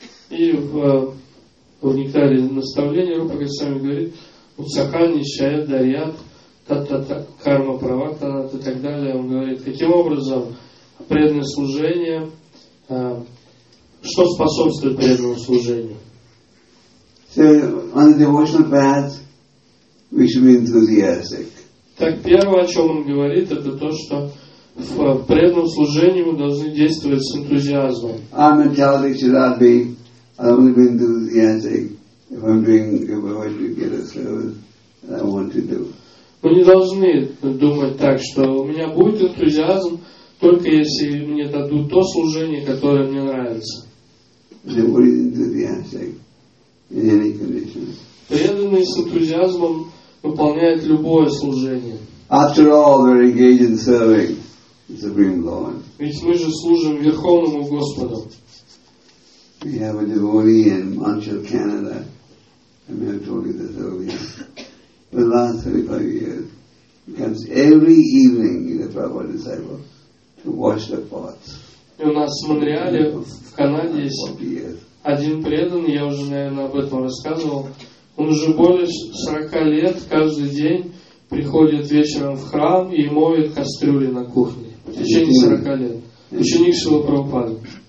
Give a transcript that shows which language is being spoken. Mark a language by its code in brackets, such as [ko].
[ru] И в нектаре наставления Рупа Госвами говорит, [sa] Уцахани Шадарьят, Тата Карма Праватанат [ru] и так далее. Он говорит, каким образом преданное служение, что способствует преданному служению. [en] So on the devotional path, we should be enthusiastic. [ru] Так первое, о чем он говорит, это то, что в преданном служении мы должны действовать с энтузиазмом. [en] Our mentality should not be, I'll only be enthusiastic if I'm doing, if I want to get a service that I want to do. [ru] Мы не должны думать так, что у меня будет энтузиазм, только если мне дадут то служение, которое мне нравится. Преданный с энтузиазмом выполняет любое служение. [en] After all, we're engaged in serving the Supreme Lord. [ru] Ведь мы же служим Верховному Господу. [en] We have a devotee in Montreal, Canada. I may have told you this earlier. For the last 35 years, he comes every evening in the Prabhupada disciple to wash the pots. [ru] И у нас в Монреале, в Канаде, есть один преданный, я уже, наверное, об этом рассказывал, он уже более 40 лет каждый день приходит вечером в храм и моет кастрюли на кухне. В течение 40 лет. Ученик Шрилы